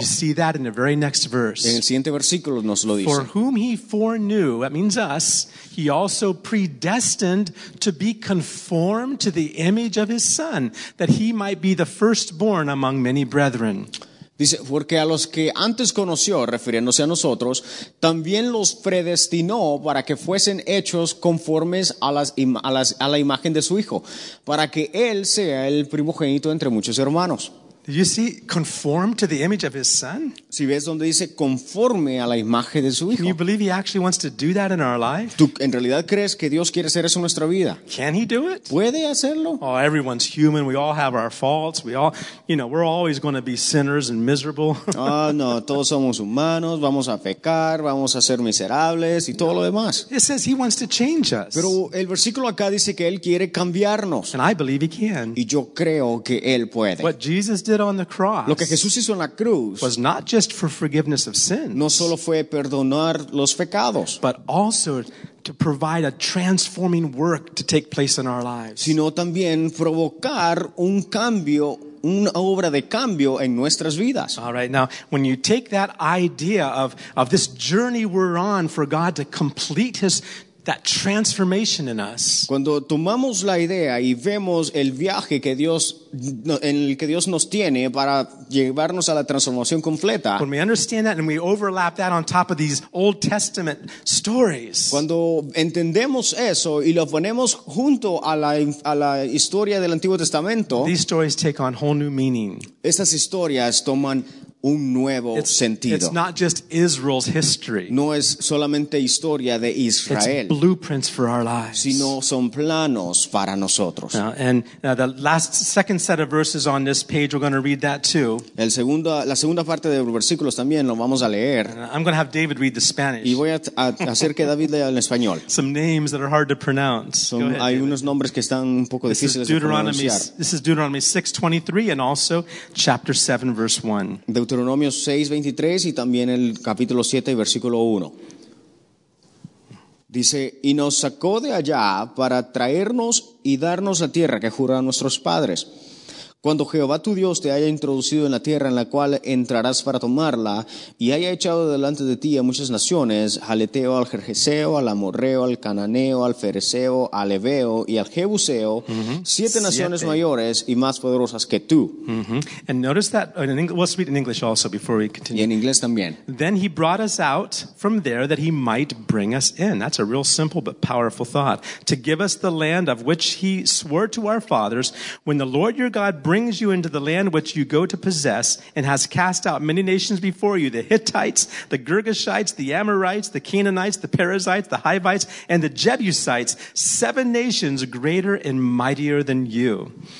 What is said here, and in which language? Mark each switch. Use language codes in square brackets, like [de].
[en] You see that in the very next verse. [es] En el siguiente versículo nos lo dice. [en] For whom He foreknew, that means us, He also predestined to be conformed to the image of His Son, that He might be the firstborn among many brethren. [es] Dice, porque a los que antes conoció, refiriéndose a nosotros, también los predestinó para que fuesen hechos conformes a la imagen de su Hijo, para que Él sea el primogénito entre muchos hermanos. [en] Do you see conform to the image of His Son? [es] Si ves donde dice conforme a la imagen de su Hijo. [en] Can you believe He actually wants to do that in our life? [es] ¿Tú en realidad crees que Dios quiere hacer eso en nuestra vida? [en] Can He do it? [es] ¿Puede hacerlo? [en] Oh, everyone's human. We all have our faults. We all, you know, we're always going to be sinners and miserable. [es] Oh, no, todos somos humanos. Vamos a pecar, vamos a ser miserables y todo lo demás. [en] It says He wants to change us. [es] Pero el versículo acá dice que Él quiere cambiarnos. [en] And I believe He can. [es] Y yo creo que Él puede. [en] What Jesus did on the cross. [es] Lo que Jesús hizo en la cruz [en] was not just for forgiveness of sins. [es] No solo fue perdonar los pecados, [en] but also to provide a transforming work to take place in our lives. [es] Sino también provocar un cambio, una obra de cambio en nuestras vidas. [en] All right, now when you take that idea of this journey we're on for God to complete His that transformation in us. [es] Cuando tomamos la idea y vemos el viaje que Dios en el que Dios nos tiene para llevarnos a la transformación completa. [en] When we understand that and we overlap that on top of these Old Testament stories. [es] Cuando entendemos eso y lo ponemos junto a la historia del Antiguo Testamento. [en] These stories take on whole new meaning. [es] Estas historias toman un nuevo sentido. [en] It's not just Israel's history. [es] No es solamente historia de Israel. [en] It's blueprints for our lives. [es] Sino son planos para nosotros. [en] And the second set of verses on this page, we're going to read that too. [es] La segunda parte de los versículos también lo vamos a leer. [en] I'm going to have David read the Spanish. [es] Y voy a hacer que David lea el español. [en] Some names that are hard to pronounce. [es] Unos nombres que están un poco difíciles de pronunciar. [en] This is Deuteronomy 6:23 and also chapter 7, verse 1. [es] Deuteronomio 6:23 y también el capítulo 7, versículo 1. Dice, y nos sacó de allá para traernos y darnos la tierra que juró a nuestros padres. Cuando Jehová tu Dios te haya introducido en la tierra en la cual entrarás para tomarla y haya echado delante de ti a muchas naciones, al Heteo, al Jerjeseo, al Amorreo, al Cananeo, al Fereseo, al Heveo y al Jebuseo, siete naciones mayores y más poderosas que tú. [en] And notice that, we'll speak in English also before we continue. [es] Y en inglés también. [en] Then he brought us out from there that he might bring us in. That's a real simple but powerful thought. To give us the land of which he swore to our fathers, when the Lord your God brings you into the land which you go to possess and has cast out many nations before you, the Hittites, the Girgashites, the Amorites, the Canaanites, the Perizzites, the Hivites, and the Jebusites, seven nations greater and mightier than you.